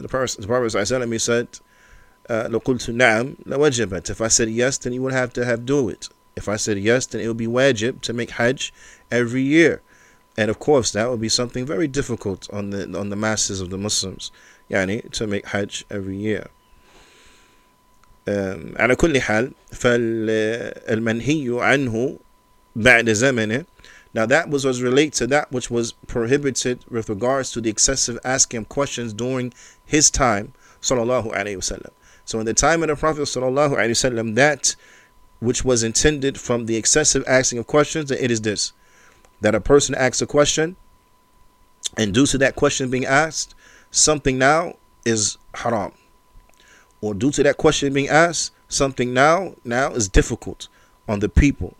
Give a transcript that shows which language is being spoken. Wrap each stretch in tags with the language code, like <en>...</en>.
<en>The Prophet sallallahu alaihi wasallam said,</en> <ar>لَقُلْتُ نَعَمْ لَوَجِبَتْ.</ar> <en>If I said yes, then you would have to do it. If I said yes, then it would be wajib to make Hajj every year. And of course, that would be something very difficult on the masses of the Muslims, يعني, to make Hajj every year.</en> <ar>على كل حال, فالمنهي عنه بعد زمنه.</ar> <en>Now that was related to that which was prohibited with regards to the excessive asking of questions during his time, sallallahu alaihi wasallam. So in the time of the Prophet sallallahu alaihi wasallam, that which was intended from the excessive asking of questions, it is this, that a person asks a question, and due to that question being asked, something now is haram, or due to that question being asked, something now is difficult on the people.</en>